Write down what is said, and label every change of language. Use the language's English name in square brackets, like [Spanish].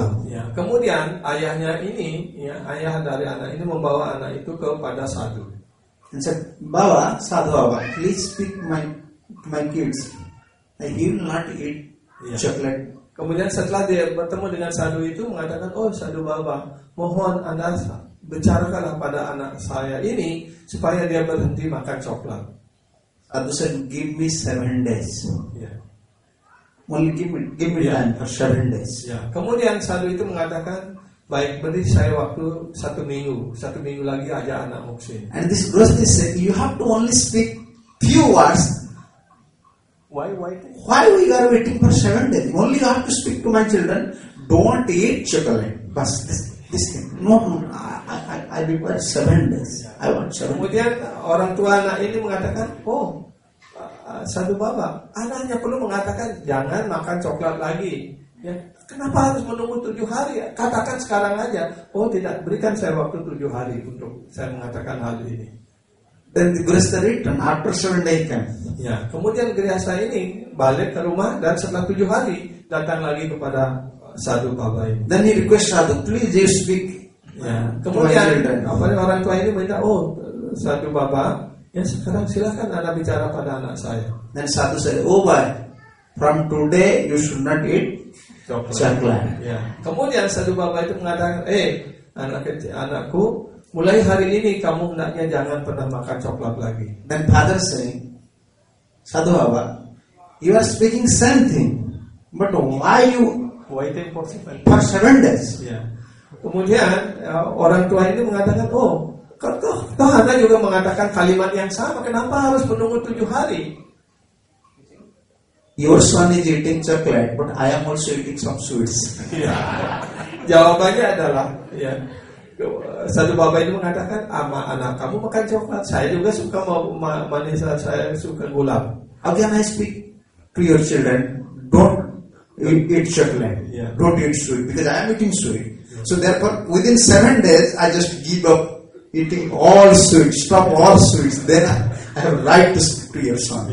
[Indonesian] Ya, kemudian ayahnya ini, ya, ayah dari anak ini membawa anak itu kepada sadhu. [English] And said, "Bawa sadhu apa? Please speak my kids. I will not eat chocolate." [Indonesian] Kemudian setelah dia bertemu dengan sadhu itu mengatakan, "Oh sadhu bawa, mohon anda bicarakanlah pada anak saya ini supaya dia berhenti makan coklat." [English] Sadhu said, "Give me 7 days." Only give me time for 7 days. [Indonesian] Kemudian sadhu itu mengatakan, baik, beri saya waktu 1 minggu. 1 minggu lagi aja anak muksin. [English] And this grihastha said, you have to only speak few words. Why we are waiting for 7 days? Only you have to speak to my children. Don't eat chocolate. But this thing. No. I require 7 days. I want 7 days. [Indonesian] Kemudian orang tua anak ini mengatakan, oh, sadhu baba, anaknya perlu mengatakan jangan makan coklat lagi. Ya, kenapa harus menunggu 7 hari? Katakan sekarang aja. Oh tidak, berikan saya waktu 7 hari untuk saya mengatakan hal ini. [English] Then the Grihastha return after 7 days came. [Indonesian] Ya, kemudian Grihastha ini balik ke rumah dan setelah 7 hari datang lagi kepada Sadhu Baba ini. [English] Then he request Sadhu, please you speak. [Indonesian] Ya, kemudian apa orang tua ini minta, oh Sadhu Baba, ya sekarang silakan Anda bicara pada anak saya. [English] Then Sadhu said, oh boy, from today you should not eat chocolate. [Indonesian] Ya. Kemudian Sadhu Baba itu mengatakan, eh anak kecil, anakku, mulai hari ini kamu hendaknya jangan pernah makan coklat lagi. [English] Then father saying, Sadhu Baba, you are speaking same thing, but why you waiting for 7 days? For 7 days. [Indonesian] Ya. Kemudian orang tua ini mengatakan, oh, toh anda juga mengatakan kalimat yang sama, kenapa harus menunggu 7 hari? [English] Your son is eating chocolate, but I am also eating some sweets. [Indonesian] Jawabannya adalah, ya, Sadhu Baba ini mengatakan, ama anak kamu makan coklat, saya juga suka manis, saya suka gulam. [English] Again I speak to your children, don't eat chocolate, yeah. Don't eat sweet, because I am eating sweet. Yeah. So therefore, within 7 days, I just give up eating all sweets, stop all sweets. Then I have right to speak to your son.